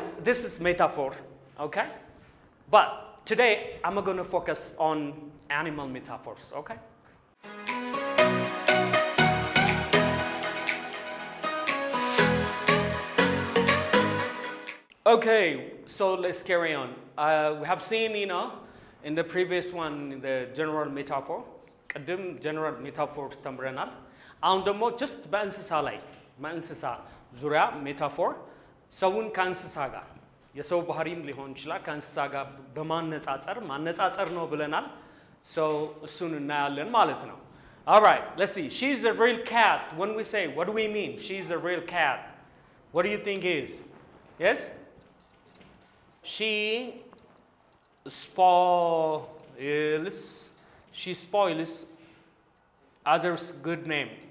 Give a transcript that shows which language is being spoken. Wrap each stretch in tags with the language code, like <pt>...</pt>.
<en>this is metaphor okay but today I'm going to focus on animal metaphors okay okay so let's carry on we have seen you know In the previous one, in the general metaphor,</en> <am>ቀደም general metaphors ተምረናል. አሁን ደግሞ just በእንስሳ ላይ በእንስሳ ዙሪያ metaphor ሰውን ከእንስሳ ጋር የሰው ባህሪም ሊሆን ይችላል ከእንስሳ ጋር በማነጻጸር ማነጻጸር ነው ብለናል.</am> <en>So soon</en> <am>እናያለን ማለት ነው.</am> <en>All right, let's see. She's a real cat. When we say, what do we mean? She's a real cat. What do you think is? Yes? She spoils. She spoils others' good name.</en>